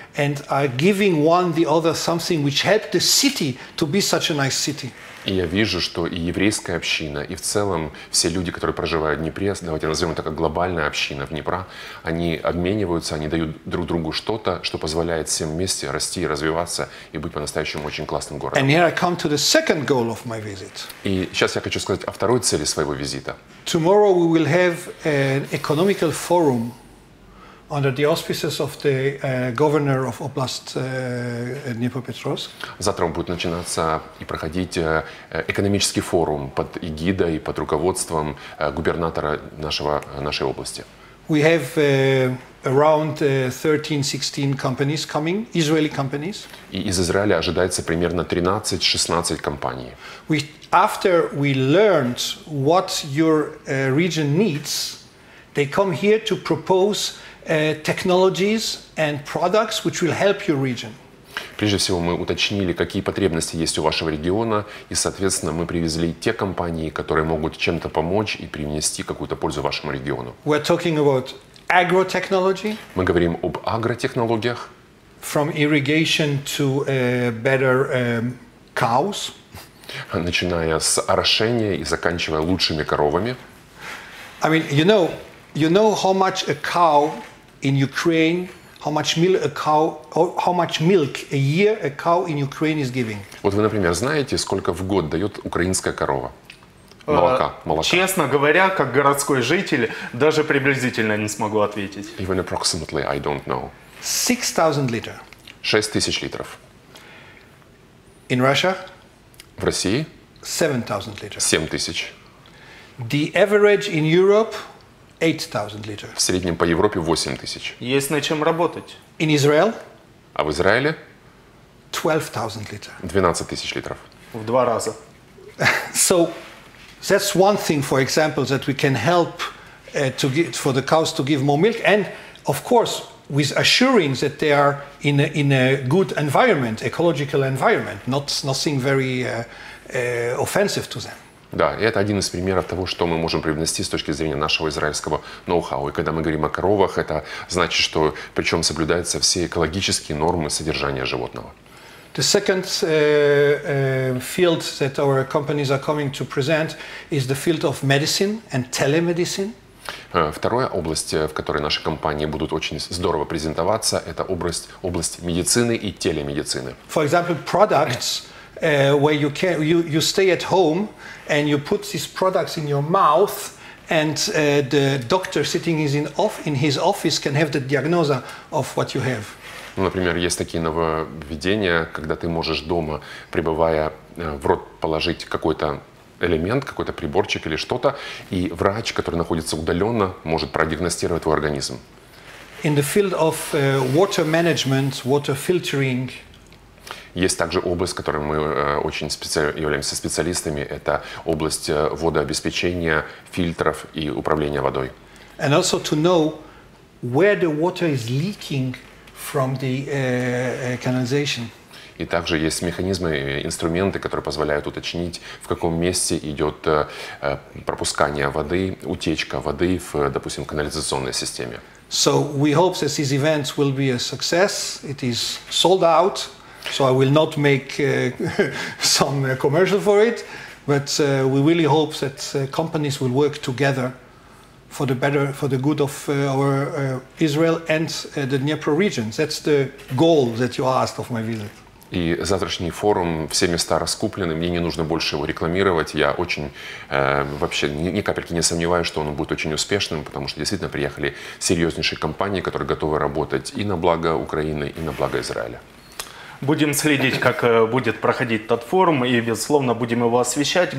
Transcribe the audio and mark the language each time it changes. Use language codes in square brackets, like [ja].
[en] and are giving one the other something which helped the city to be such a nice city. [ru] И я вижу, что и еврейская община, и в целом все люди, которые проживают в Днепре, давайте назовем это как глобальная община Днепра, они обмениваются, они дают друг другу что-то, что позволяет всем вместе расти, развиваться и быть по-настоящему очень классным городом. [en] And here I come to the second goal of my visit. [ru] И сейчас я хочу сказать о второй цели своего визита. [en] Tomorrow we will have an economical forum under the auspices of the governor of Oblast Dnipropetrovsk. [ru] Завтра будет начинаться и проходить экономический форум под эгидой, под руководством губернатора нашей области. [en] We have around 13-16 companies coming, Israeli companies. [ru] И из Израиля ожидается примерно 13-16 компаний. [en] After we learned what your region needs, they come here to propose technologies and products which will help your region. [ru] Прежде всего мы уточнили, какие потребности есть у вашего региона, и, соответственно, мы привезли те компании, которые могут чем-то помочь и принести какую-то пользу вашему региону. [en] We're talking about agrotechnology. [ru] Мы говорим об агротехнологиях. [en] From irrigation to better cows. [ru] Начиная с орошения и заканчивая лучшими коровами. [en] I mean, you know how much a cow in Ukraine, how much milk a year a cow in Ukraine is giving? [ru] Вот вы, например, знаете, сколько в год дает украинская корова? Молока. Честно говоря, как городской житель, даже приблизительно не смогу ответить. [en] Even approximately, I don't know. 6,000 liter. [ru] 6,000 литров. [en] In Russia? [ru] В России? [en] 7,000 liter. [ru] 7,000. [en] The average in Europe? 8,000 liter. [ru] В среднем по Европе 8,000. Есть над чем работать. [en] In Israel? [ru] А в Израиле? [en] 12,000 liter. [ru] 12,000 литров. В два раза. [en] So that's one thing, for example, that we can help to get for the cows to give more milk, and of course with assuring that they are in a good environment, ecological environment, nothing very offensive to them. [ru] Да, и это один из примеров того, что мы можем привнести с точки зрения нашего израильского ноу-хау. И когда мы говорим о коровах, это значит, что причем соблюдаются все экологические нормы содержания животного. [en] The second field that our companies are coming to present is the field of medicine and telemedicine. [ru] Вторая область, в которой наши компании будут очень здорово презентоваться, это область медицины и телемедицины. [en] For example, products where you stay at home and you put these products in your mouth, and the doctor sitting is in his office can have the diagnosis of what you have. [ru] Ну, например, есть такие нововведения, когда ты можешь дома, пребывая в рот, положить какой-то элемент, какой-то приборчик или что-то, и врач, который находится удаленно, может продиагностировать твой организм. [en] In the field of water management, water filtering. [ru] Есть также область, в которой мы очень являемся специалистами. Это область водообеспечения, фильтров и управления водой. [en] And also to know where the water is leaking from the canalization. [ru] И также есть механизмы, инструменты, которые позволяют уточнить, в каком месте идет пропускание воды, утечка воды в, допустим, канализационной системе. [en] So we hope that these events will be a success. It is sold out. So I will not make some commercial for it, but we really hope that companies will work together for the better, for the good of our Israel and the Dnieper region. That's the goal that you asked of my visit. [ru] И завтрашний форум, все места раскуплены, мне не нужно больше его рекламировать. Я очень, вообще, ни капельки не сомневаюсь, что он будет очень успешным, потому что действительно приехали серьезнейшие компании, которые готовы работать и на благо Украины, и на благо Израиля. Будем следить, как будет проходить тот форум, и, безусловно, будем его освещать.